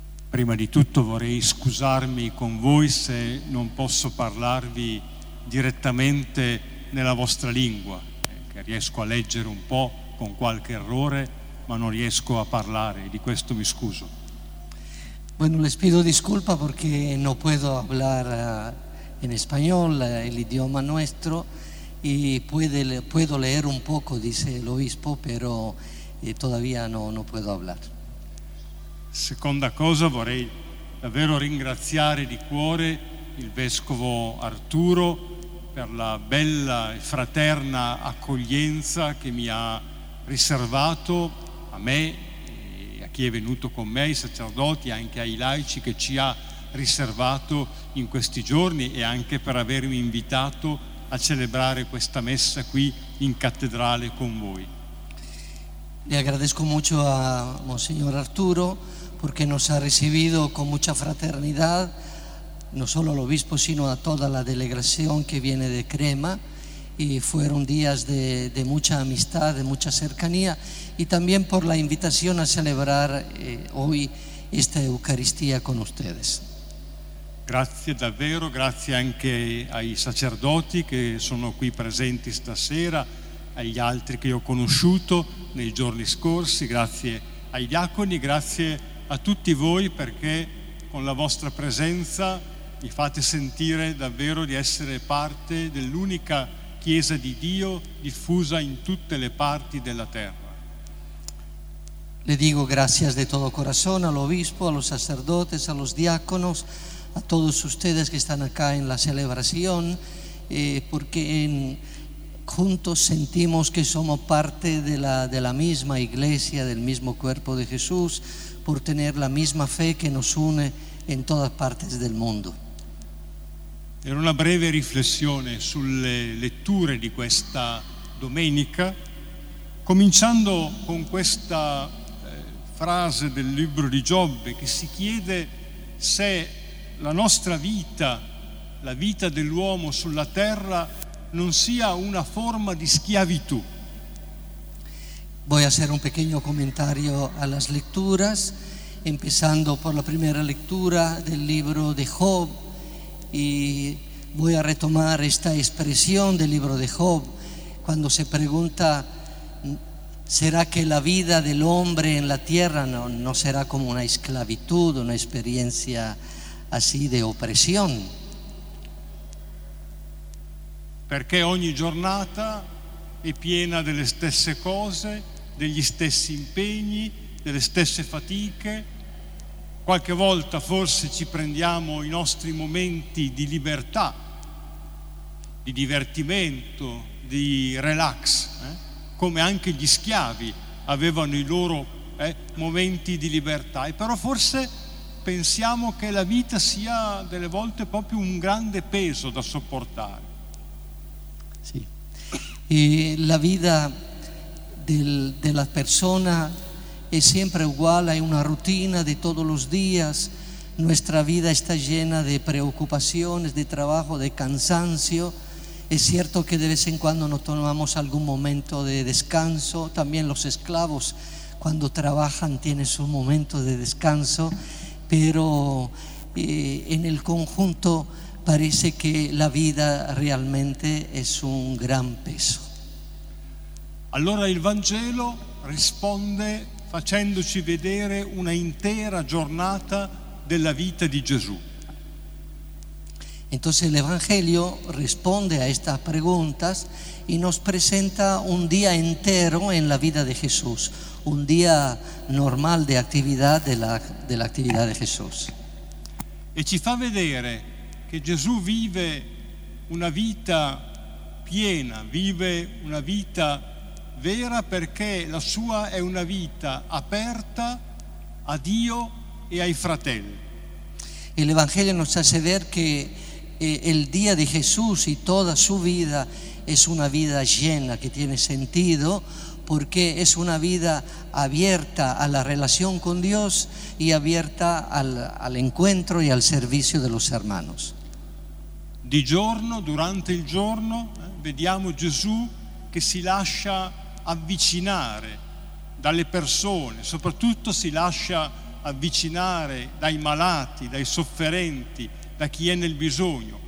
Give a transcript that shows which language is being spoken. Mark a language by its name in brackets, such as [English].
[Italian] Prima di tutto vorrei scusarmi con voi se non posso parlarvi direttamente nella vostra lingua, che riesco a leggere un po' con qualche errore, ma non riesco a parlare, di questo mi scuso. [Spanish] Bueno, les pido disculpa porque no puedo hablar en español, el idioma nuestro, y puedo leer un poco, dice el obispo, pero todavía no puedo hablar. [Italian] Seconda cosa, vorrei davvero ringraziare di cuore il Vescovo Arturo per la bella e fraterna accoglienza che mi ha riservato a me, a chi è venuto con me, ai sacerdoti, anche ai laici, che ci ha riservato in questi giorni, e anche per avermi invitato a celebrare questa messa qui in cattedrale con voi. [Spanish] Le agradezco mucho a Monsignor Arturo porque nos ha recibido con mucha fraternidad, no solo al obispo sino a toda la delegación que viene de Crema, y fueron días de mucha amistad, de mucha cercanía, y también por la invitación a celebrar hoy esta Eucaristía con ustedes. [Italian] Grazie davvero, grazie anche ai sacerdoti che sono qui presenti stasera, agli altri che ho conosciuto nei giorni scorsi, grazie ai diaconi, grazie a tutti voi, perché con la vostra presenza mi fate sentire davvero di essere parte dell'unica Chiesa di Dio diffusa in tutte le parti della terra. [Spanish] Le digo gracias de todo corazón al obispo, a los sacerdotes, a los diáconos, a todos ustedes que están acá en la celebración, porque juntos sentimos que somos parte de la misma iglesia, del mismo cuerpo de Jesús, por tener la misma fe que nos une en todas partes del mundo. [Italian] Era una breve riflessione sulle letture di questa domenica, cominciando con questa frase del libro di Giobbe, che si chiede se la nostra vita, la vita dell'uomo sulla terra, non sia una forma di schiavitù. [Spanish] Voy a hacer un pequeño comentario a las lecturas, empezando por la primera lectura del libro de Job, y voy a retomar esta expresión del libro de Job cuando se pregunta: ¿será que la vida del hombre en la tierra no será como una esclavitud, una experiencia así de opresión? [Italian] Perché ogni giornata è piena delle stesse cose, degli stessi impegni, delle stesse fatiche. Qualche volta forse ci prendiamo i nostri momenti di libertà, di divertimento, di relax, come anche gli schiavi avevano i loro momenti di libertà, e però forse pensiamo che la vita sia delle volte proprio un grande peso da sopportare. Sì, e la vita [Spanish] de la persona es siempre igual, hay una rutina de todos los días, nuestra vida está llena de preocupaciones, de trabajo, de cansancio. Es cierto que de vez en cuando nos tomamos algún momento de descanso, también los esclavos cuando trabajan tienen su momento de descanso, pero en el conjunto parece que la vida realmente es un gran peso. [Italian] Allora il Vangelo risponde facendoci vedere una intera giornata della vita di Gesù. [Spanish] Entonces el Evangelio responde a estas preguntas y nos presenta un día entero en la vida de Jesús, un día normal de actividad de la actividad de Jesús. [Italian] E ci fa vedere che Gesù vive una vita piena, vive una vita vera, perché la sua è una vita aperta a Dio e ai fratelli. [Spanish] El Evangelio nos hace ver que el día de Jesús y toda su vida es una vida llena, que tiene sentido, porque es una vida abierta a la relación con Dios y abierta al encuentro y al servicio de los hermanos. [Italian] Di giorno, durante il giorno, vediamo Gesù che si lascia avvicinare dalle persone, soprattutto si lascia avvicinare dai malati, dai sofferenti, da chi è nel bisogno.